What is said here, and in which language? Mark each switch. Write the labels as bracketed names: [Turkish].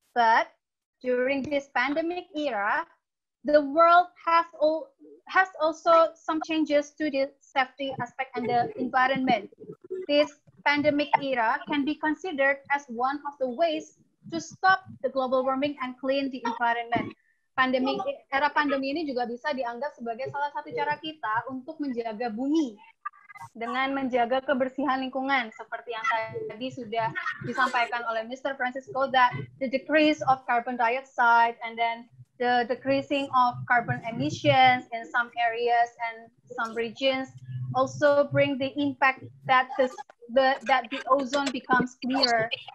[English] But during this pandemic era, the world has also some changes to the safety aspect and the environment. This pandemic era can be considered as one of the ways to stop the global warming and clean the environment. [Indonesian] Pandemi, era pandemi ini juga bisa dianggap sebagai salah satu cara kita untuk menjaga bumi dengan menjaga kebersihan lingkungan, seperti yang tadi sudah disampaikan oleh Mr. [English] Fransisco, that the decrease of carbon dioxide and then the decreasing of carbon emissions in some areas and some regions also bring the impact that the ozone becomes clearer.